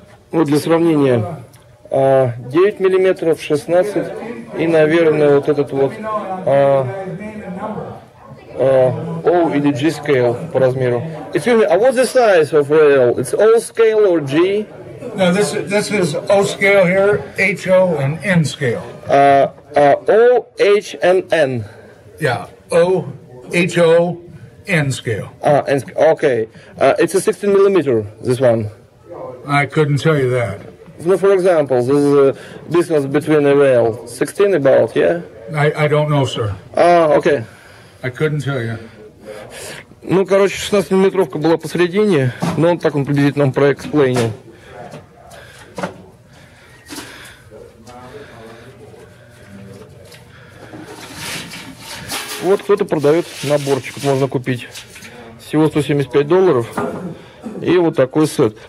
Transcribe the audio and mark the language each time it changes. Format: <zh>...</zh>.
<ru>Вот для сравнения. 9 миллиметров, 16. И, наверное, вот этот вот O или G scale по размеру.</ru> <en>Excuse me, а what's the size of L? It's O scale or G? No, this is O scale here, HO and N scale. O, H, and N. Yeah, O, HO, N scale. Okay. It's a 16 millimeter, this one. I couldn't tell you that. No, for example, this is a distance between a rail, 16 about, yeah? I don't know, sir. Okay. I couldn't tell you.</en> <ru>Ну, короче, 16-миллиметровка была посередине, но он так он приблизительно нам проэксплейнил. Вот кто-то продает наборчик, можно купить. Всего $175. И вот такой сет.</ru>